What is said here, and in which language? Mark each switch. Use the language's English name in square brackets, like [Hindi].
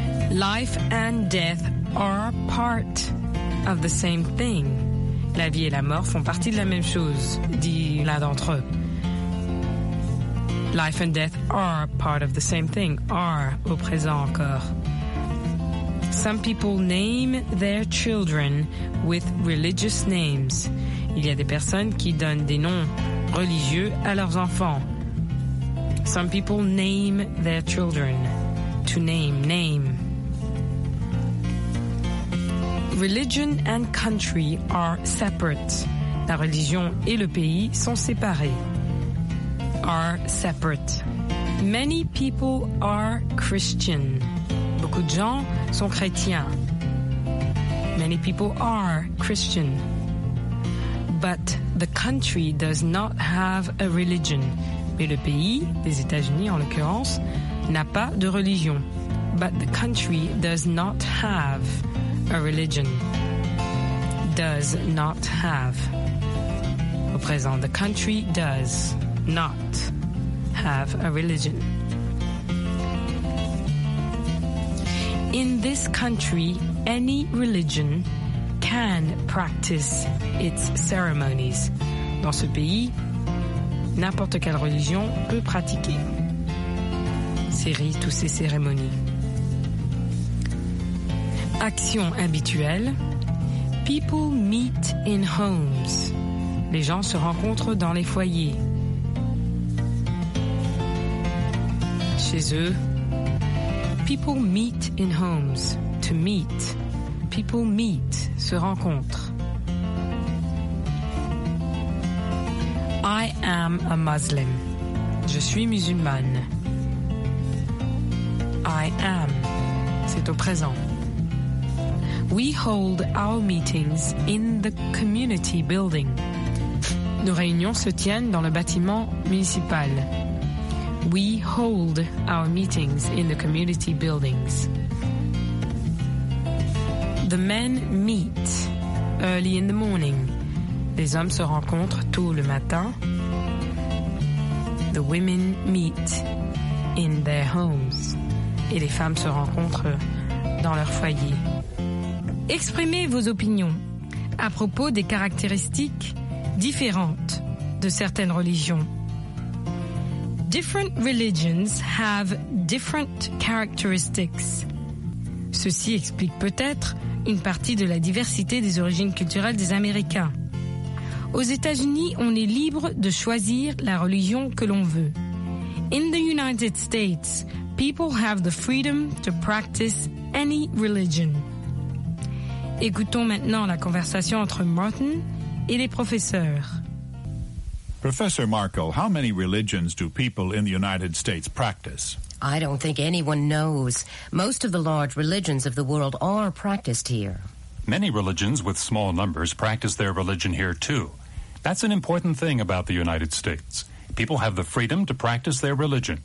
[English] Life and death are part of the same thing. [French] La vie et la mort font partie de la même chose, dit l'un d'entre eux. [English] Life and death are part of the same thing, are [French] au présent encore. [English] Some people name their children with religious names. [French] Il y a des personnes qui donnent des noms religieux à leurs enfants. [English] Some people name their children. To name, name. Religion and country are separate. [French] La religion et le pays sont séparés. [English] Are separate. Many people are Christian. [French] Beaucoup de gens sont chrétiens. [English] Many people are Christian. But the country does not have a religion. [French] Mais le pays, les États-Unis en l'occurrence, n'a pas de religion. [English] But the country does not have a religion. Does not have. [French] Au présent, [English] the country does not have a religion. In this country, any religion can practice its ceremonies. [French] Dans ce pays, n'importe quelle religion peut pratiquer ses rites ou ses cérémonies. Action habituelle. [English] People meet in homes. [French] Les gens se rencontrent dans les foyers. Chez eux. [English] People meet in homes, to meet. People meet, [French] se rencontrent. [English] I am a Muslim. [French] Je suis musulmane. [English] I am. [French] C'est au présent. [English] We hold our meetings in the community building. [French] Nos réunions se tiennent dans le bâtiment municipal. [English] We hold our meetings in the community buildings. The men meet early in the morning. [French] Les hommes se rencontrent tôt le matin. [English] The women meet in their homes. [French] Et les femmes se rencontrent dans leur foyer. Exprimez vos opinions à propos des caractéristiques différentes de certaines religions. [English] Different religions have different characteristics. [French] Ceci explique peut-être une partie de la diversité des origines culturelles des Américains. Aux États-Unis, on est libre de choisir la religion que l'on veut. [English] In the United States, people have the freedom to practice any religion. [French] Écoutons maintenant la conversation entre Martin et les professeurs. [English] Professor Markle, how many religions do people in the United States practice? I don't think anyone knows. Most of the large religions of the world are practiced here. Many religions with small numbers practice their religion here too. That's an important thing about the United States. People have the freedom to practice their religion.